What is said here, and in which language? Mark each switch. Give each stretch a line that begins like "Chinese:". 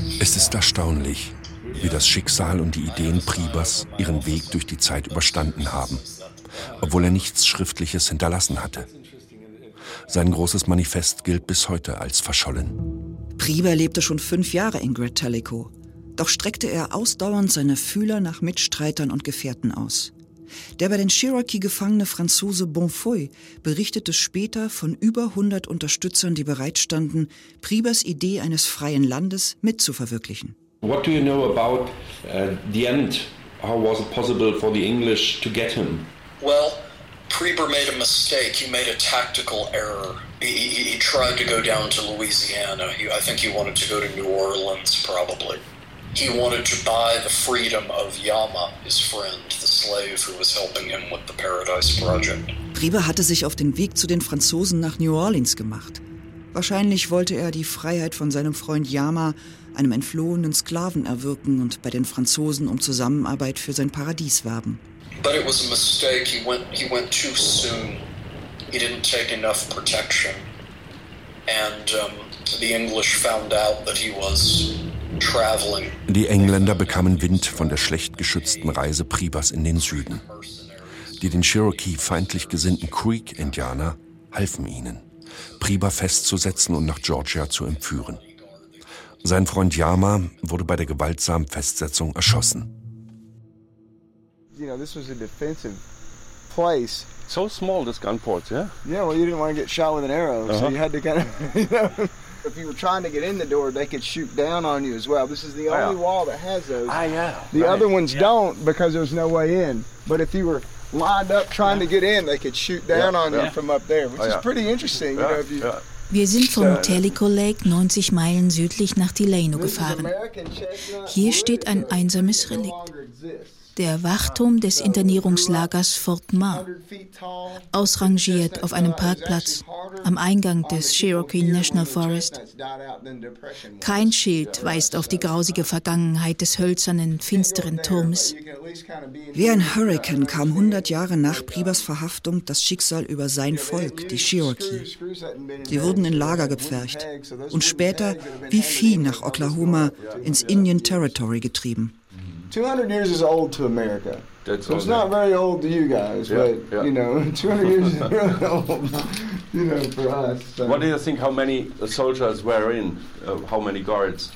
German: Es ist erstaunlich, wie das Schicksal und die Ideen Pribers ihren Weg durch die Zeit überstanden haben, obwohl er nichts Schriftliches hinterlassen hatte. Sein großes Manifest gilt bis heute als verschollen. Priber lebte schon 5 Jahre in Great Tellico, doch streckte er ausdauernd seine Fühler nach Mitstreitern und Gefährten aus. Der bei den Cherokee gefangene Franzose Bonfoy berichtete später von über 100 Unterstützern, die bereitstanden, Priebers Idee eines freien Landes mitzuverwirklichen.
English: What do you know about the end? How was it possible for the English to get him? Well, Priber made a mistake. He made a tactical error. He tried to go down to Louisiana. I think he wanted to go to New Orleans, probably. He wanted to buy the freedom of Yama, his friend, the slave who was helping him with the Paradise Project.
German: Priber hatte sich auf den Weg zu den Franzosen nach New Orleans gemacht. Wahrscheinlich wollte er die Freiheit von seinem Freund Yama, einem entflohenen Sklaven, erwirken und bei den Franzosen um Zusammenarbeit für sein Paradies werben.
English: But it was a mistake. He went too soon. He didn't take enough protection. And the English found out that he was traveling.
German: Die Engländer bekamen Wind von der schlecht geschützten Reise Pribers in den Süden. Die den Cherokee feindlich gesinnten Creek-Indianer halfen ihnen, Priber festzusetzen und nach Georgia zu entführen. Sein Freund Yama wurde bei der gewaltsamen Festsetzung erschossen.
English: You know, this was a defensive place. So small, this gun port, yeah? Yeah, well, you didn't want to get shot with an arrow, So you had to kind of, you know. If you were trying to get in the door, they could shoot down on you as well. This is the only wall that has those. I know. The other ones don't, because there's no way in. But if you were lined up trying to get in, they could shoot down on you from up there, which is pretty interesting, you know, if you... Yeah.
German: Wir sind vom Tellico Lake 90 Meilen südlich nach Delano gefahren. Hier steht ein einsames Relikt. Der Wachturm des Internierungslagers Fort Ma. Ausrangiert auf einem Parkplatz am Eingang des Cherokee National Forest. Kein Schild weist auf die grausige Vergangenheit des hölzernen, finsteren Turms. Wie ein Hurrikan kam 100 Jahre nach Pribers Verhaftung das Schicksal über sein Volk, die Cherokee. Sie wurden in Lager gepfercht und später wie Vieh nach Oklahoma ins Indian Territory getrieben.
English: 200 years is old to America. That's so it's not very old to you guys, but, you know, 200 years is really old, you know, for us. So. What do you think how many soldiers were in, how many guards?